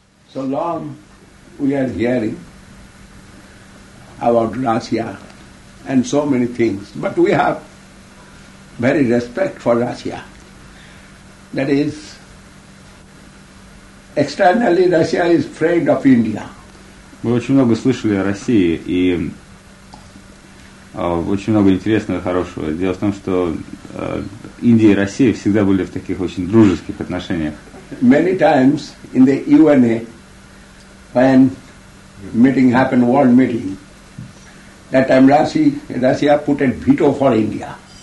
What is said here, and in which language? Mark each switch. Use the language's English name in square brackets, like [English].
[English] So long we are hearing about Rasya and so many things, but we have very respect for Rasya. That is, externally Russia is friend of India. [Russian] Мы очень много слышали о России и очень много интересного и хорошего. Дело в том, что Индия и Россия всегда были в таких очень дружеских отношениях. [English] Many times in the UNA, when meeting happened, world meeting, that time Russia put a veto for India.